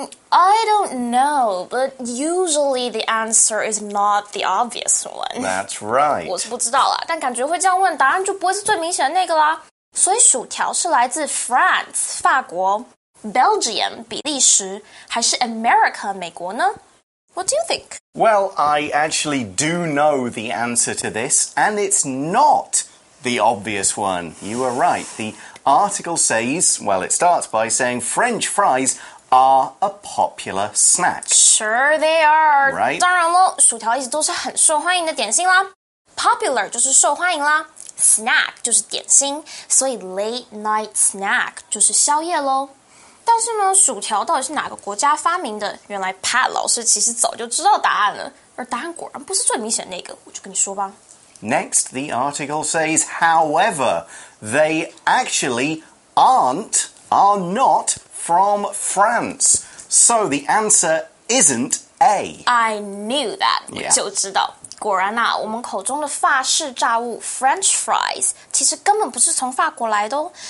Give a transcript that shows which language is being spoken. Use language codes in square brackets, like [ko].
[en] I don't know, but usually the answer is not the obvious one. That's right. [zh] 我是不知道啦，但感觉会这样问，答案就不会是最明显的那个啦。所以薯条是来自 France, 法国, Belgium, 比利时, 还是 America, 美国呢? What do you think? [en] Well, I actually do know the answer to this, and it's not the obvious one. You were right. The article says, well, it starts by saying French fries are a popular snack. Sure they are. Right? [zh] 当然了，薯条一直都是很受欢迎的点心啦。 Popular 就是受欢迎啦。Snack 就是点心，所以 late night snack 就是宵夜咯。但是呢，薯条到底是哪个国家发明的？原来 Pat 老师其实早就知道答案了，而答案果然不是最明显的那个，我就跟你说吧。 [en] Next, the article says, however, they actually are not from France. So the answer isn't A. [zh] I knew that. 我就知道。果然啊，我们口中的法式炸物 French fries 其实根本不是从法国来的哦。